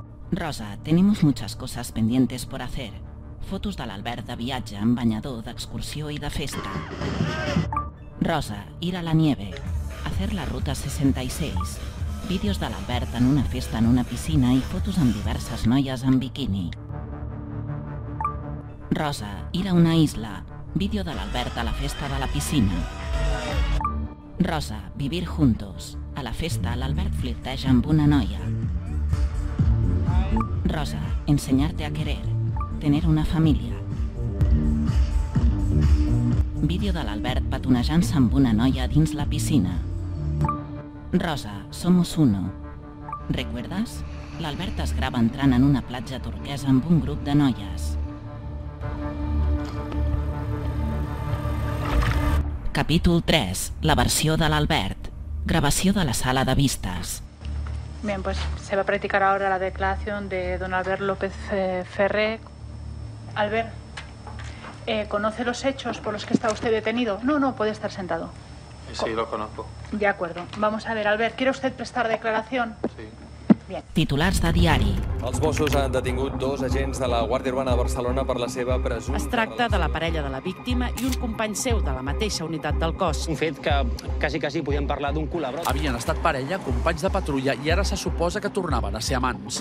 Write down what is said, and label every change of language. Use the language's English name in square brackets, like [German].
[Spanish] Rosa, tenemos muchas cosas pendientes por hacer. [Catalan] Fotos de l'Albert de viatge, amb banyador, d'excursió i de festa. [Spanish] Rosa, ir a la nieve. Hacer la ruta 66. [Catalan] Vídeos de l'Albert en una festa en una piscina i fotos amb diverses noies en biquini. [Spanish] Rosa, ir a una isla. [Catalan] Vídeo de l'Albert a la festa de la piscina. [Spanish] Rosa, vivir juntos. [Catalan] A la festa, l'Albert flirteja amb una noia. [Spanish] Rosa, enseñarte a querer. Tener una familia. [Catalan] Vídeo de l'Albert petonejant-se amb una noia dins la piscina. [Spanish] Rosa, somos uno. ¿Recuerdas? [Catalan] L'Albert es grava entrant en una platja turquesa amb un grup de noies. Capítol 3. La versió de l'Albert. Gravació de la sala de vistes. [Spanish] Bien, pues se va a practicar ahora la declaración de don Albert López Ferré. Albert, ¿conoce los hechos por los que está usted detenido? No, no, puede estar sentado. Sí, lo conozco. De acuerdo. Vamos a ver, Albert, ¿quiere usted prestar declaración? Sí. Bien. [Catalan] Titulars de diari. Els Mossos han detingut dos agents de la Guàrdia Urbana de Barcelona per la seva presumpta... Es tracta de la parella de la víctima i un company seu de la mateixa unitat del cos. Un fet que quasi podíem parlar d'un culebrot. Havien estat parella, companys de patrulla, i ara se suposa que tornaven a ser amants.